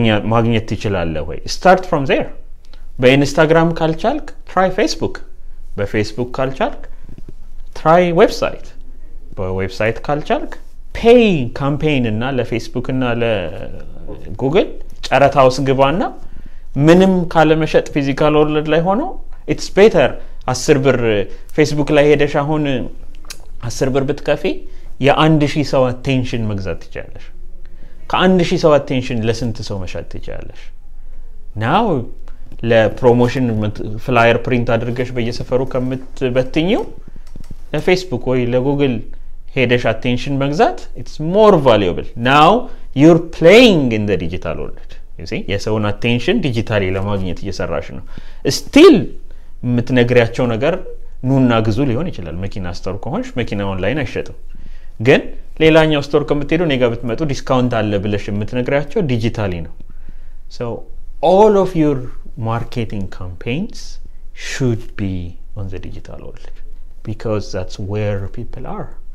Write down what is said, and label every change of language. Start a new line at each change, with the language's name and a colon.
Amharic: ማግኘት ትችላለ ወይ
English: start from there
Amharic: በኢንስታግራም ካልቻልክ try facebook በfacebook ካልቻልክ try website በwebsite ካልቻልክ pay campaign እና ለfacebook እና ለgoogle ጨረታውስ ግባና ምንም ካለመሸጥ physical world ላይ ሆኖ
English: it's better
Amharic: 10 ብር facebook ላይ ሄደሽ አሁን 10 ብር ብትከፊ የ1000 ሰው attention መግዛት ትችላለሽ ከ1000 ሰው አቴንሽን ለስንት ሰው መሸጥ ይችላል? Now ለፕሮሞሽን ፍላየር ፕሪንት አድርገሽ በየሰፈሩ ከምትበትኚው ለፌስቡክ ወይ ለጉግል ሄደሽ አቴንሽን መግዛት
English: it's more valuable. Now you're playing in the digital world. You see?
Amharic: የሰውን አቴንሽን ዲጂታሊ ለማግኘት እየሰራሽ ነው.
English: Still
Amharic: የምትነግሪያቸው ነገር ኑና ግዙ ሊሆን ይችላል. መኪና ስቶር ከሆንሽ መኪና ኦንላይን አይሸጥም. ግን ሌላኛው ስቶር ከመጥቶ ነገ ብትመጡ ዲስካውንት አለ ብለሽ የምትነግራቸው ዲጂታሊ ነው
English: so all of your marketing campaigns should be on the digital world because that's where people are